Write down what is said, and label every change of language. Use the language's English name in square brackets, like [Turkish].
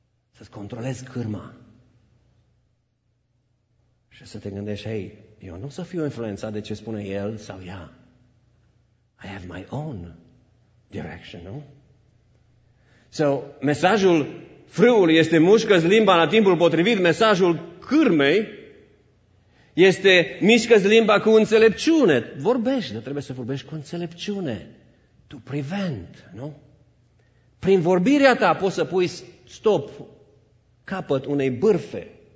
[Romanian] Să-ți controlezi cârma. Și Și să te gândești, hei, eu nu o să fiu influențat de ce spune el sau ea. [English] I have my own direction, [Romanian] nu? So, mesajul frâului este mușcă-ți limba la timpul potrivit, mesajul cârmei este mișcă-ți limba cu înțelepciune. Vorbești, dar trebuie să vorbești cu înțelepciune. [English] To prevent, [Romanian] nu? Prin vorbirea ta poți să pui stop, capăt unei bârfe.